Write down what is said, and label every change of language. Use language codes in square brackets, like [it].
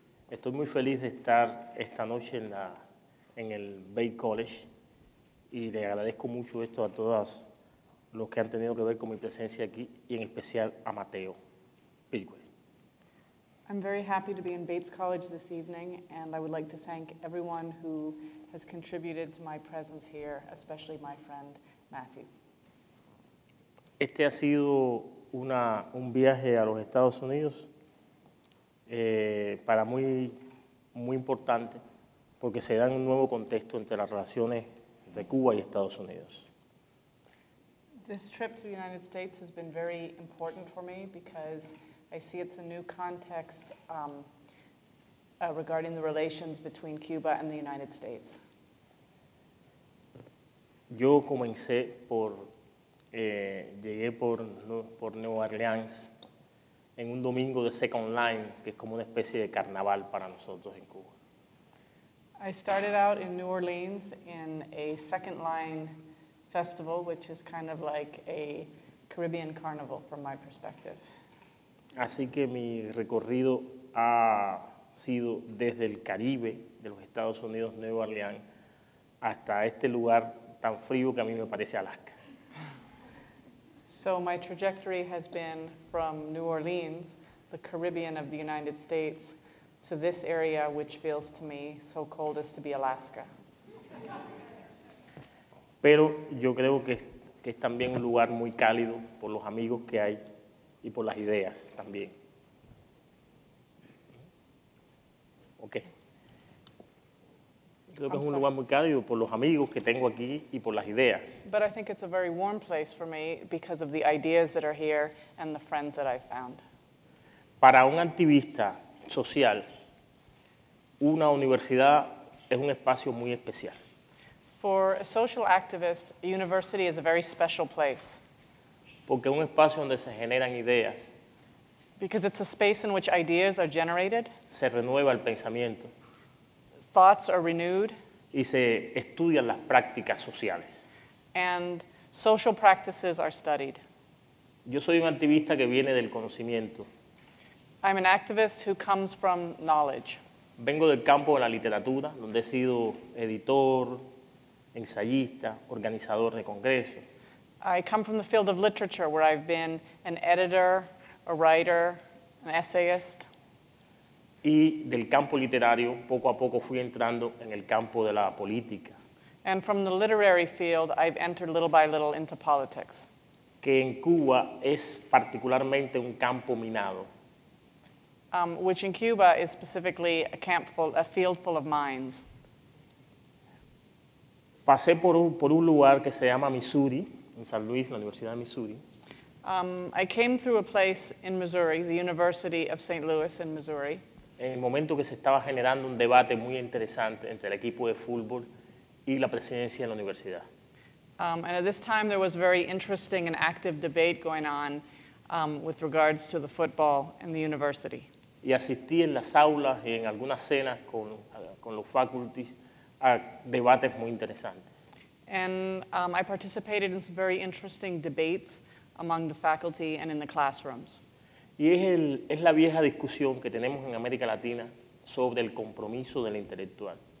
[es] Estoy muy feliz de estar esta noche en el Bay College y le agradezco mucho esto a todos los que han tenido que ver con mi presencia aquí y en especial a Mateo Pigway. [en] I'm very happy to be in Bates College this evening, and I would like to thank everyone who has contributed to my presence here, especially my friend Matthew. [es] Este ha sido un viaje a los Estados Unidos para muy muy importante porque se da un nuevo contexto entre las relaciones entre Cuba y Estados Unidos. [en] This trip to the United States has been very important for me because I see it's a new context regarding the relations between Cuba and the United States. [es] Yo comencé llegué por New Orleans en un domingo de Second Line, que es como una especie de carnaval para nosotros en Cuba. [en] I started out in New Orleans in a Second Line festival, which is kind of like a Caribbean carnival from my perspective. [es] Así que mi recorrido ha sido desde el Caribe de los Estados Unidos, Nueva Orleans, hasta este lugar tan frío que a mí me parece Alaska. [en] So my trajectory has been from New Orleans, the Caribbean of the United States, to this area which feels to me so cold as to be Alaska. [es] Pero yo creo que es también un lugar muy cálido por los amigos que hay. Y por las ideas también. Okay. Creo que es un lugar muy cálido por los amigos que tengo aquí y por las ideas. [en] But I think it's a very warm place for me because of the ideas that are here and the friends that I've found. [es] Para un activista social, una universidad es un espacio muy especial. [en] For a social activist, a university is a very special place. [es] Porque es un espacio donde se generan ideas. [en] Because it's a space in which ideas are generated. [es] Se renueva el pensamiento. [en] Thoughts are renewed. [es] y se estudian las prácticas sociales. [en] And social practices are studied. [es] Yo soy un activista que viene del conocimiento. [en] I'm an activist who comes from knowledge. [es] Vengo del campo de la literatura, donde he sido editor, ensayista, organizador de congresos. [en] I come from the field of literature, where I've been an editor, a writer, an essayist. [es] Y del campo literario, poco a poco fui entrando en el campo de la política. [en] And from the literary field, I've entered little by little into politics. [es] Que en Cuba es particularmente un campo minado. [en] Which in Cuba is specifically a camp full, a field full of mines. [es] Pasé por un lugar que se llama Missouri, en San Luis, la Universidad de Missouri. [en] I came through a place in Missouri, the University of St. Louis in Missouri. [es] En el momento que se estaba generando un debate muy interesante entre el equipo de fútbol y la presidencia de la universidad. [en] And at this time there was a very interesting and active debate going on with regards to the football and the university. [es] Y asistí en las aulas y en algunas cenas con los faculties a debates muy interesantes. [en] And I participated in some very interesting debates among the faculty and in the classrooms. [es] Y es la vieja discusión que tenemos en América Latina sobre el compromiso del intelectual.